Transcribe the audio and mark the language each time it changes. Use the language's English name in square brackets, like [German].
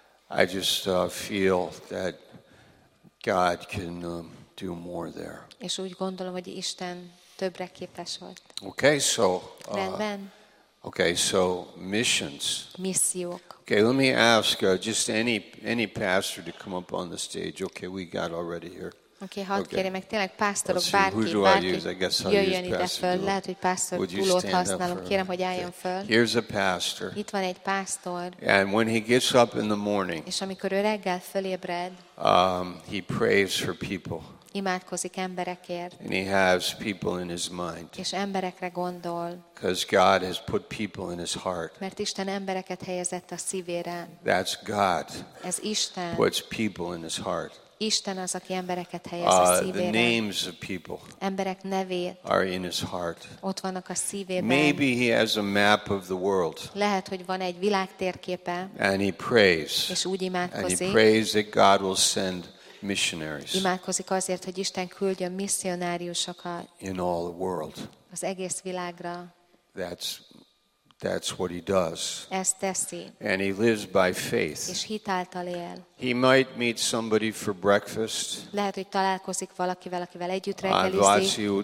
[English] I just feel that God can do more there. [Hungarian] És úgy gondolom, hogy Isten többre képes volt. [English] Okay, so [Hungarian] rendben. [English] Okay, so missions. [Hungarian] Missziók. [English] Okay, let me ask just any pastor to come up on the stage. Okay, we got already here. [Hungarian] Okay, hadd kérjem meg, tényleg pásztorok, bárki jöjjön ide föl. Lehet, hogy pásztor túlót használom. Kérem, hogy álljon föl. [English] Here's a pastor. [Hungarian] Itt van egy pásztor. [English] And when he gets up in the morning, [Hungarian] és amikor ő reggel fölébred, [English] he prays for people. [Hungarian] Imádkozik emberekért. [English] And he has people in his mind. [Hungarian] És emberekre gondol. [English] Because God has put people in his heart. [Hungarian] Mert Isten embereket helyezett a szívére. [English] That's God. [Hungarian] Ez Isten. [English] Puts people in his heart. [Hungarian] Isten az, aki embereket helyez a szívére. [English] The names of people. [Hungarian] Emberek nevét. [English] Are in his heart. [Hungarian] Ott vannak a szívében. [English] Maybe he has a map of the world. [Hungarian] Lehet, hogy van egy világtérképe. [English] And he prays. [Hungarian] És úgy imádkozik. [English] And he prays that God will send missionaries. [Hungarian] Imádkozik azért, hogy Isten küldjön misszionáriusokat. [English] In all the world. [Hungarian] Az egész világra. [English] That's what he does. [Hungarian] Ezt teszi. [English] And he lives by faith. [Hungarian] És hit által él. [English] He might meet somebody for breakfast. [Hungarian] Lehet, hogy találkozik valakivel, akivel együtt reggelizik.